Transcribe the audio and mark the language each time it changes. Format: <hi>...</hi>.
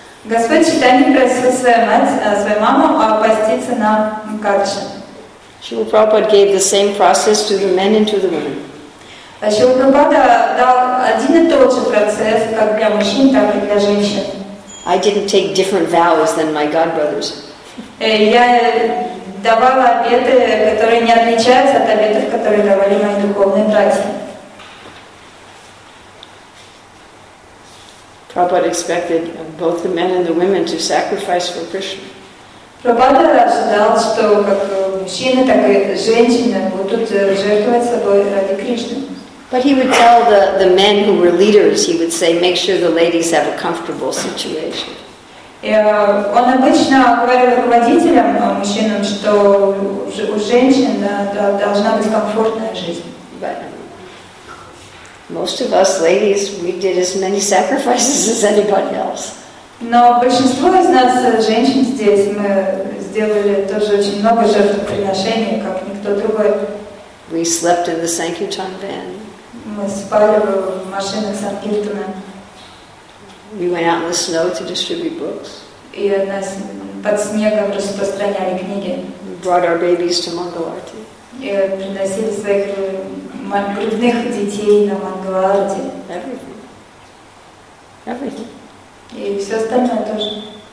<ru>Господь Chaitanya просил свою маму поститься на Kadishri.</ru> <en>Srila Prabhupada gave the same process to the men and to the women.</en> <ru>Srila Prabhupada дал один и тот же процесс как для мужчин, так и для женщин.</ru> <en>I didn't take different vows than my god brothers.</en> <ru>Я давала обеты, которые не отличаются от обетов, которые давали мои духовные братья.</ru> <en>Prabhupada expected both the men and the women to sacrifice for Krishna.</en> <ru>Prabhupada ожидал, что как мужчины, так и женщины будут жертвовать собой ради Кришны.</ru> <en>But he would tell the men who were leaders, he would say, make sure the ladies have a comfortable situation.</en> <ru>Он обычно говорил руководителям, мужчинам, что у женщин должна быть комфортная жизнь.</ru> <en>But most of us ladies, we did as many sacrifices as anybody else.</en> <ru>Но большинство из нас, женщин здесь, мы сделали тоже очень много жертвоприношений, как никто другой.</ru> <en>We slept in the Sankirtan van.</en> <ru>Мы спали в машинах Санкиртана.</ru> <en>We went out in the snow to distribute books.</en> <ru>И нас под снегом распространяли книги.</ru> <en>We brought our babies to Mangalarti.</en> <ru>И приносили своих грудных детей на Мангаларти.</ru> <en>Everything.</en> <ru>И все остальное тоже.</ru>